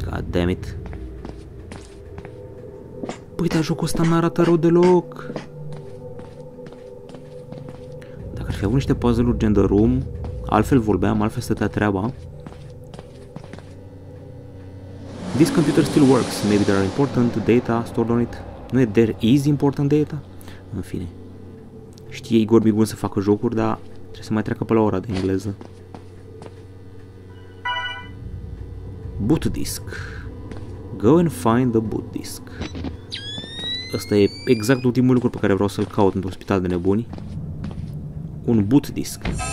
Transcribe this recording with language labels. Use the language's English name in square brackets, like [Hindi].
[English] Damn it. [Romanian] Păi, dar jocul ăsta n-arată rău deloc. Dacă ar fi avut niște puzzle-uri gen The Room, altfel vorbeam, altfel stătea treaba. [English] This computer still works. Maybe there are important data stored on it. [Romanian] Nu e [English] there is important data? [Romanian] În fine. Știe Igor Bigun să facă jocuri, dar trebuie să mai treacă pe la ora de engleză. [English] Boot disk. Go and find the boot disk. [Romanian] Asta e exact ultimul lucru pe care vreau să-l caut într-un spital de nebuni. Un boot disk.